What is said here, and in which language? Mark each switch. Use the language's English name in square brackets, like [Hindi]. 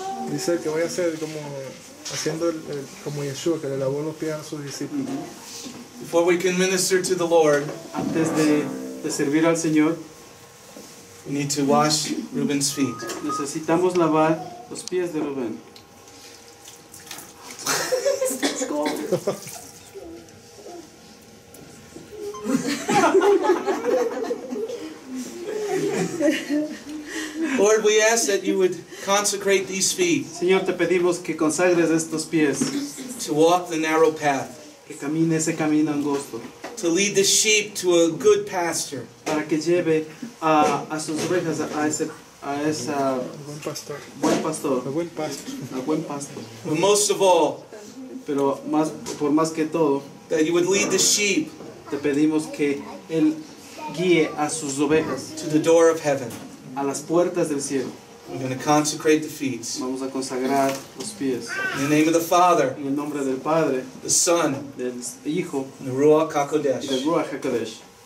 [Spanish] Dice que voy a hacer como haciendo como Yeshua, que le lavó los pies a sus discípulos. [English] Before we can minister to the Lord, [Spanish] antes de servir al Señor, [English] we need to wash Reuben's feet. [Spanish] Necesitamos lavar los pies de Reuben. [English] Lord, we ask that you would consecrate these feet. [Spanish] Señor, te pedimos que consagres estos pies. [English] To walk the narrow path. [Spanish] Que camine ese camino angosto. [English] To lead the sheep to a good pasture. [Spanish] Para que lleve a sus ovejas a ese buen pastor. Buen pastor. A buen pastor. A buen pastor. [English] But most of all, [Spanish] pero más por más que todo, [English] that you would lead the sheep. [Spanish] Te pedimos que él guíe a sus ovejas. [English] To the door of heaven. [Spanish] A las puertas del cielo. [English] We're going to consecrate the feet. [Spanish] Vamos a consagrar los pies. [English] In the name of the Father. [Spanish] En el nombre del Padre. [English] The Son. [Spanish] Del Hijo. [English] And the Ruach HaKodesh. [Spanish] Y del Ruach HaKodesh.